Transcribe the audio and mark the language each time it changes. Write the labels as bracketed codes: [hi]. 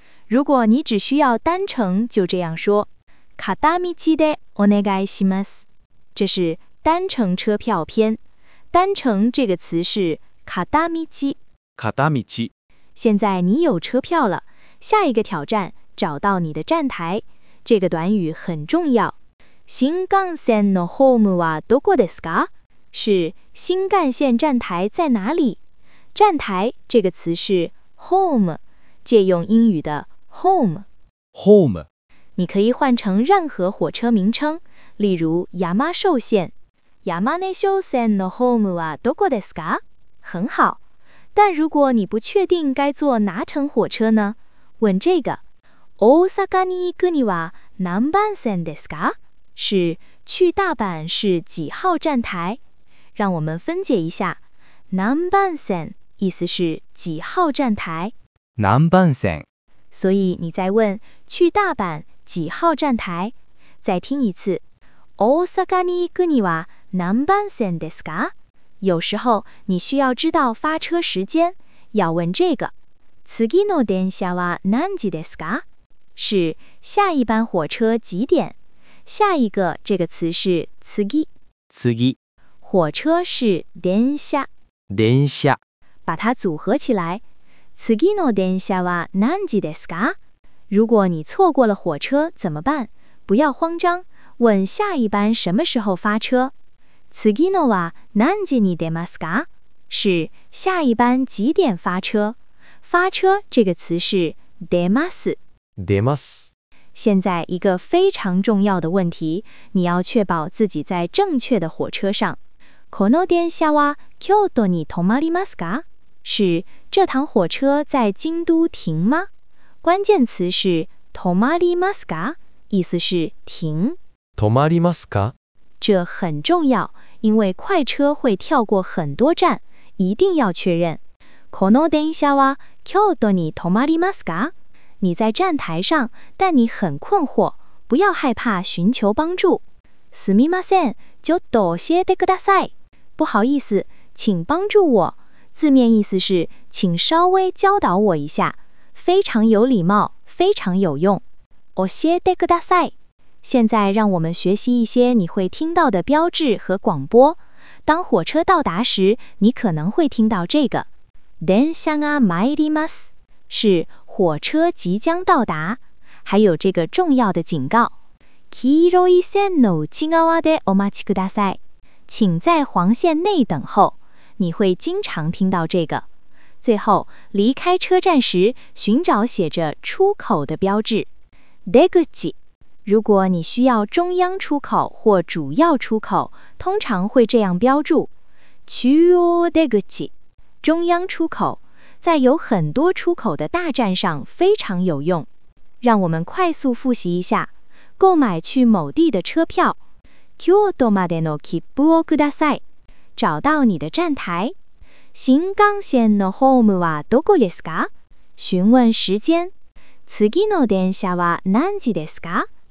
[zh] 如果你只需要单程，就这样说。 [ja] 片道でお願いします。 [zh] 这是单程车票篇。单程这个词是片道。现在你有车票了，下一个挑战找到你的站台。这个短语很重要。 [ja] 新干线のホームはどこですか？ [zh] 是新干线站台在哪里？站台这个词是 home， 借用英语的 home。 [en] home。 [zh] 你可以换成任何火车名称。例如山寿线。 [ja] 山寿线のホームはどこですか？ [zh] 很好。但如果你不确定该坐哪乘火车呢？问这个。 [ja] 大阪に行くには何番線ですか？ [zh] 是去大阪是几号站台？让我们分解一下。何番線意思是几号站台。 [ja] 何番線。 [zh] 所以你在问去大阪几号站台。再听一次。 [ja] 大阪に行くには何番線ですか？ [zh] 有时候你需要知道发车时间，要问这个。 [ja] 次の電車は何時ですか？ [zh] 是下一班火车几点？下一个这个词是次。 [ja] 次。 [zh] 火车是電車。 [ja] 電車。 [zh] 把它组合起来。 [ja] 次の電車は何時ですか？ [zh] 如果你错过了火车怎么办？不要慌张。问下一班什么时候发车？ [ja] 次のは何時に出ますか？ [zh] 是下一班几点发车？发车这个词是出ます。 [ja] 出ます。 [zh] 现在一个非常重要的问题，你要确保自己在正确的火车上。 [ja] この電車は京都に停まりますか？ [zh] 是这趟火车在京都停吗？关键词是停まりますか？意思是停。 [ja] 止まりますか？ [zh] 这很重要，因为快车会跳过很多站，一定要确认。 [ja] この電車は京都に停まりますか？ [zh] 你在站台上，但你很困惑，不要害怕寻求帮助。 [ja] すみません、ちょっと教えてください。 [zh] 不好意思，请帮助我。字面意思是请稍微教导我一下，非常有礼貌，非常有用。 [ja] 教えてください。 [zh] 现在让我们学习一些你会听到的标志和广播。当火车到达时，你可能会听到这个。 [ja] 電車が参ります。 [zh] 是火车即将到达。还有这个重要的警告。 [ja] 黄色い線の内側でお待ちください。 [zh] 请在黄线内等候。你会经常听到这个。最后，离开车站时，寻找写着出口的标志。 [ja] 出口。 [zh] 如果你需要中央出口或主要出口，通常会这样标注。 [ja] 中央出口。 [zh] 中央出口，在有很多出口的大站上非常有用。让我们快速复习一下。购买去某地的车票。 [ja] 京都までの切符をください。 [zh] 找到你的站台。 [ja] 新幹線のホームはどこですか？ [zh] 询问时间。 [ja] 次の電車は何時ですか？